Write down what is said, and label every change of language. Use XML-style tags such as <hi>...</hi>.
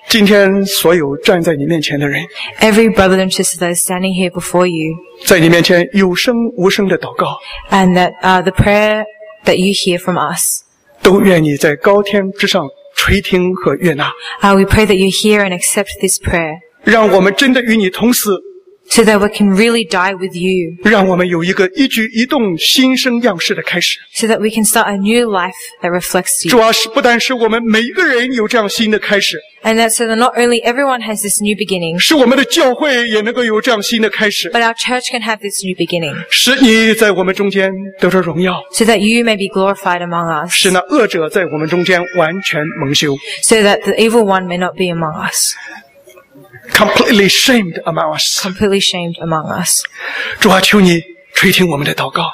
<zh>今天所有站在你面前的人</zh> <en>Every brother and sister that is standing here before you</en> <zh>在你面前有声无声的祷告</zh> <en>And that the prayer that you hear from us</en> <zh>都愿你在高天之上垂听和悦纳</zh> <en>We pray that you hear and accept this prayer</en> <zh>让我们真的与你同死</zh> <en>so that we can really die with you</en> <zh>让我们有一个一举一动新生样式的开始</zh> <en>so that we can start a new life that reflects you</en> <zh>主要是不但是我们每一个人有这样新的开始</zh> <en>and that so that not only everyone has this new beginning</en> <zh>使我们的教会也能够有这样新的开始</zh> <en>but our church can have this new beginning</en> <zh>使你在我们中间得着荣耀</zh> <en>so that you may be glorified among us</en> <zh>使那恶者在我们中间完全蒙羞</zh> <en>so that the evil one may not be among us Completely shamed among us. Completely shamed among us.</en> <zh>主啊，求你垂听我们的祷告。</zh>